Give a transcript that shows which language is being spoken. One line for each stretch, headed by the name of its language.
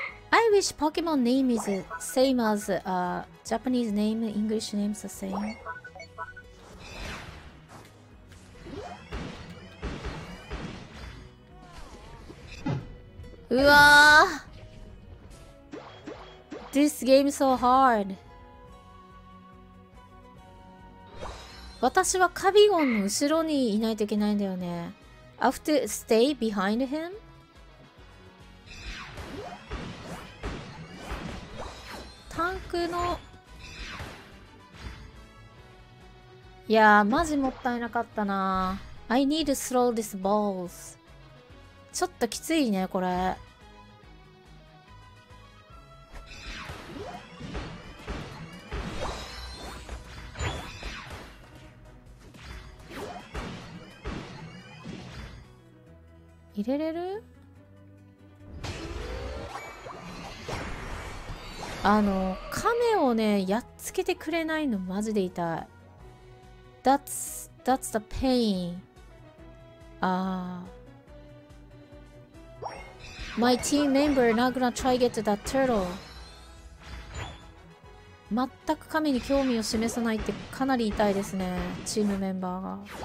English: I wish Pokemon name is same as Japanese name, English name's the same。うわー、 This game so hard。
Japanese: 私はカビゴンの後ろにいないといけないんだよね。
English: After stay behind him?
Japanese: タンクの、いやーマジもったいなかったな。
English: I need to throw these balls。
Japanese: ちょっときついねこれ。入れれる? あの、亀をね、やっつけてくれないのマジで痛い。
English: That's the pain。 ああ。 My team member not gonna try get that turtle。
Japanese: 全く亀に興味を示さないってかなり痛いですね、チームメンバーが。